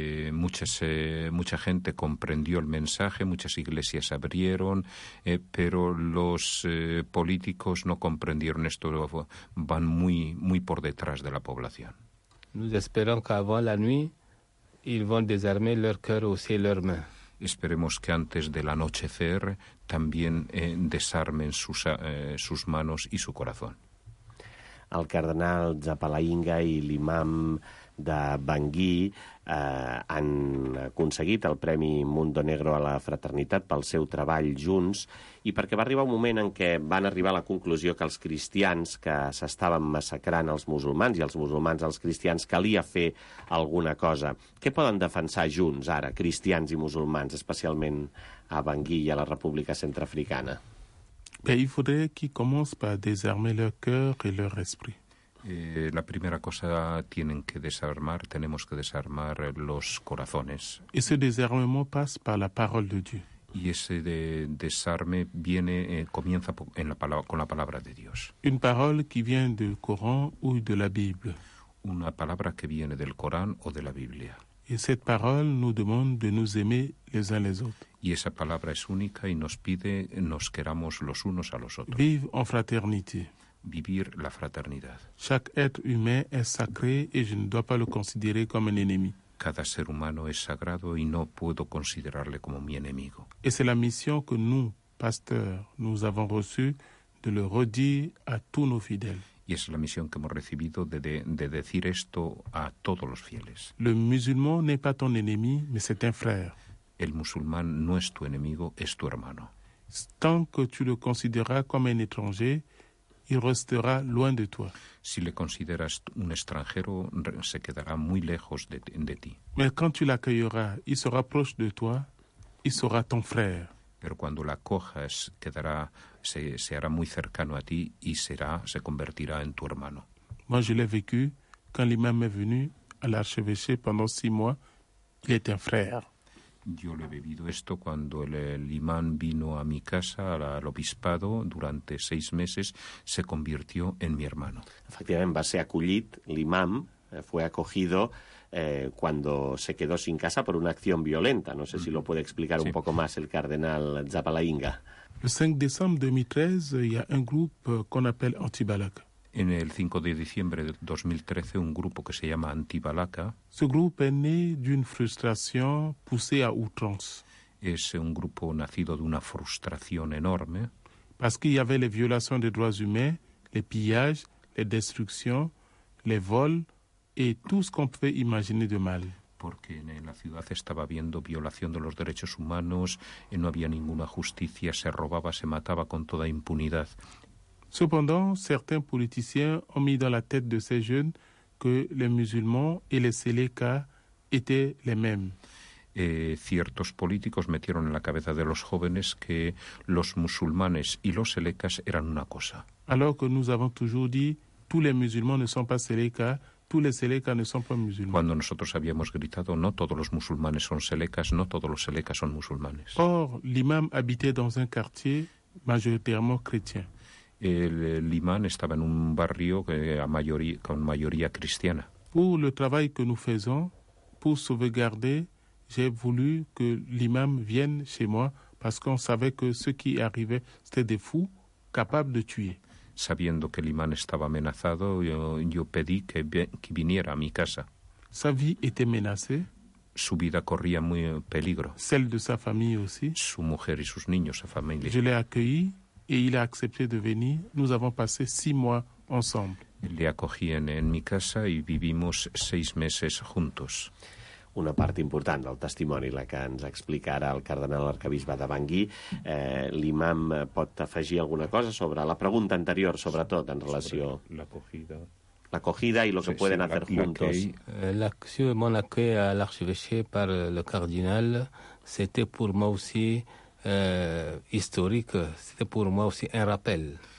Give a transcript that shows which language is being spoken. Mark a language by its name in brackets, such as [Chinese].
[Spanish] Mucha gente comprendió el mensaje, muchas iglesias abrieron, pero los políticos no comprendieron esto, van muy, muy por detrás de la población. [French] Nous espérons qu'avant la nuit, ils vont désarmer leur cœur aussi et leurs mains. [Spanish] esperemos que antes del anochecer también desarmen sus manos y su corazón. [Catalan] El cardenal Zapalainga i l'imam de Bangui han aconseguit el Premi Mundo Negro a la Fraternitat pel seu treball junts i perquè va arribar un moment en què van arribar a la conclusió que els cristians que s'estaven massacrant els musulmans i els musulmans els cristians calia fer alguna cosa. Què poden defensar junts ara, cristians i musulmans, especialment a Bangui i a la República Centreafricana? [French] Bé, il faudrait qu'ils commencent par désarmer leur cœur et leur esprit. [Spanish] La primera cosa tenemos que desarmar los corazones. Y ese [French] desarmement passe par la parole de Dieu. [Spanish] Y ese desarme comienza con la palabra de Dios. [French] Une parole qui vient du Coran ou de la Bible. [Spanish] Una palabra que viene del Corán o de la Biblia. [French] Y cette parole nous demande de nous aimer les uns les autres. [Spanish] Y esa palabra es única y nos pide nos queramos los unos a los otros. [French] Vive en fraternité. [Spanish] Vivir la fraternidad. [French] Chaque être humain est sacré et je ne dois pas le considérer comme un ennemi. [Spanish] Cada ser humano es sagrado y no puedo considerarle como mi enemigo. [French] Et c'est la mission que nous, pasteurs, nous avons reçue de le redire à tous nos fidèles. [Spanish] Y es la misión que hemos recibido de decir esto a todos los fieles. [French] Le musulman n'est pas ton ennemi, mais c'est un frère. [Spanish] El musulmán no es tu enemigo, es tu hermano. [French] Tant que tu le considéreras comme un étranger, il restera loin de toi. [Spanish] Si le consideras un extranjero, se quedará muy lejos de ti. [French] Mais quand tu l'accueilleras, il sera proche de toi, il sera ton frère. [Spanish] Pero cuando la acojas, se hará muy cercano a ti y se convertirá en tu hermano. [French] Moi, je l'ai vécu quand l'imam est venu à l'archevêché pendant 6 mois. Il était un frère. [Spanish] Yo lo he vivido esto cuando el imán vino a mi casa, al obispado, durante 6 meses, se convirtió en mi hermano. Efectivamente, [Catalan] va a ser acollit, [Spanish] l'imam fue acogido cuando se quedó sin casa por una acción violenta. No sé si lo puede explicar un poco más el cardenal Zapalainga. El 5 de diciembre de 2013 hay un grupo que se llama Antibalak. En el 5 de diciembre de 2013, un grupo que se llama Antibalaka. [French] Ce groupe est né d'une frustration poussée à outrance. [Spanish] Es un grupo nacido de una frustración enorme. [French] Parce qu'il y avait les violations des droits humains, les pillages, les destructions, les vols et tout ce qu'on peut imaginer de mal. [Spanish] Porque en la ciudad estaba habiendo violación de los derechos humanos, no había ninguna justicia, se robaba, se mataba con toda impunidad. [French] Cependant, certains politiciens ont mis dans la tête de ces jeunes que les musulmans et les Seleka étaient les mêmes. [Spanish] Ciertos políticos metieron en la cabeza de los jóvenes que los musulmanes y los Selekas eran una cosa. [French] Alors que nous avons toujours dit tous les musulmans ne sont pas Seleka, tous les Seleka ne sont pas musulmans. [Spanish] Cuando nosotros habíamos gritado no todos los musulmanes son Selekas, no todos los Selekas son musulmanes. [French] Or, l'imam habitait dans un quartier majoritairement chrétien. [Spanish] El imán estaba en un barrio con mayoría cristiana. [French] Pour le travail que nous faisons, pour sauvegarder, j'ai voulu que l'imam vienne chez moi parce qu'on savait que ceux qui arrivaient, c'était des fous capables de tuer. [Spanish] Sabiendo que el imán estaba amenazado, yo pedí que viniera a mi casa. [French] Sa vie était menacée. [Spanish] Su vida corría muy peligro. [French] Celle de sa famille aussi. [Spanish] Su mujer y sus niños, su familia. [French] Je l'ai accueilli. Et il a accepté de venir. Nous avons passé 6 mois ensemble. [Spanish] Le acogí en mi casa y vivimos 6 meses juntos. [Catalan] Una part important del testimoni, la que ens explica ara el cardenal arcabisbe de Bangui. L'imam pot afegir alguna cosa sobre la pregunta anterior, sobretot en relació... [Spanish] L'acogida y lo que pueden hacer juntos. [French] L'acció de mon accueil à l'archevêché par le cardinal, c'était pour moi aussi... histórico, c'est pour moi aussi un rappel.